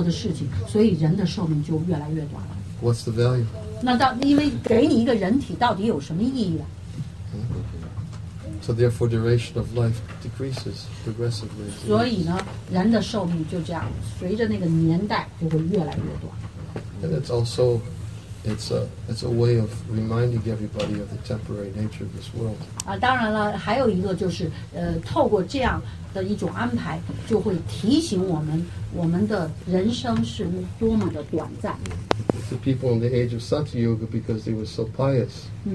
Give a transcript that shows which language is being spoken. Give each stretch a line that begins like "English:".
Chinese: 因为我们就是因为我们不去做人该做的事情，所以人的寿命就越来越短了。
English: What's the value?
Chinese: 那到因为给你一个人体到底有什么意义啊？
English: So therefore, duration of life decreases progressively.
Chinese: 所以呢，人的寿命就这样，随着那个年代就会越来越短。
English: And it's also a way of reminding everybody of the temporary nature of this world.
Chinese: 当然了，还有一个就是，透过这样的一种安排，就会提醒我们，我们的人生是多么的短暂。
English: The people in the age of Satya Yoga because they were so pious.